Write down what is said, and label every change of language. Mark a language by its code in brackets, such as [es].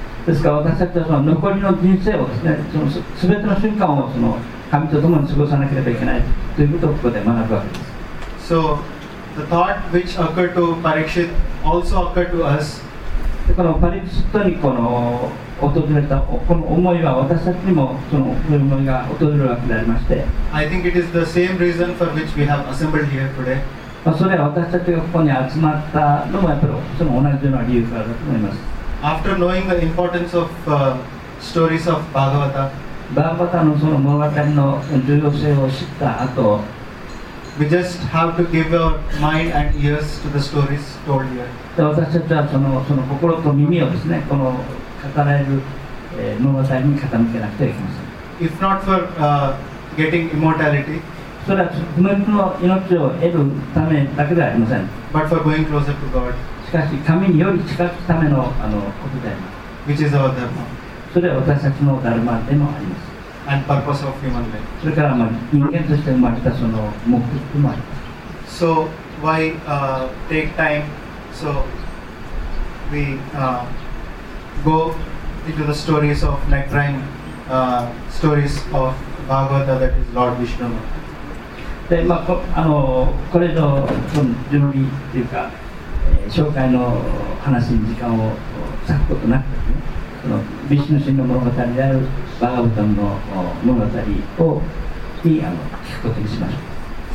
[ja] ですから私たちはその残りの人生をですね、その全ての瞬間をその神と共に過ごさなければいけないということをここで学ぶわけです。 [en] So, the thought which occurred to Parikshit also occurred to us. [ja] このパリクシットにこの訪れたこの思いは私たちにもその思いが訪れるわけでありまして。 [en] I think it is the same reason for which we have assembled here today. [ja] それは私たちがここに集まったのもやっぱりその同じような理由からだと思います。 [en] After knowing the importance of stories of Bhagavata, [ja] バーバタのその物語の重要性を知った後 [en] We just have to give our mind and ears to the stories told here. [ja] 私たちはその心と耳をですね、この語られる物語に傾けなくてはいけません。 [en] If not for getting immortality, [ja] それは不滅の命を得るためだけではありません。 [en] But for going closer to God. [ja] しかし、神により近づくため の, あのことであります。 [en] Which is our dharma. [ja] それは私たちのダルマでもあります。 [en] And purpose of human life. [ja] それからまあ人間として生まれたその目的もあります。 [en] So why take time? So we go into the stories of nectarine, stories of Bhagavata that is Lord Vishnu. [ja] で、まあ、これの準備というか、紹介の話に時間を割くことなくですね。のビシヌ神の物語であるバーガヴァタムの物語を聞くことにしましょう。